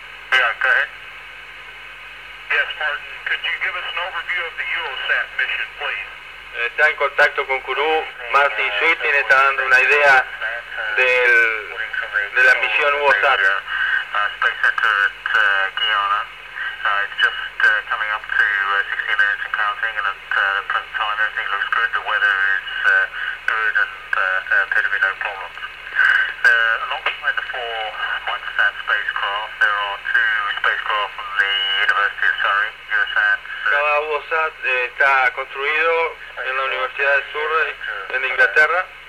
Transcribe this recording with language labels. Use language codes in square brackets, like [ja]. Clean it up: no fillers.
[en] Yes, Martin, could you give us an overview of the EUOSAT mission, please? [es] Está en contacto con Kourou, Martin Sweetin está dando una idea de la misión WOSAT. [en] Space Center at Guiana. It's just coming up to 60 minutes and counting, and at the present time everything looks good. The weather is good and appear to be no problems. Alongside the four Microsat spacecraft, there are two spacecraft from the University of Surrey, EUOSAT. [es] Cada WOSAT está construido en la Universidad de Surrey, en Inglaterra.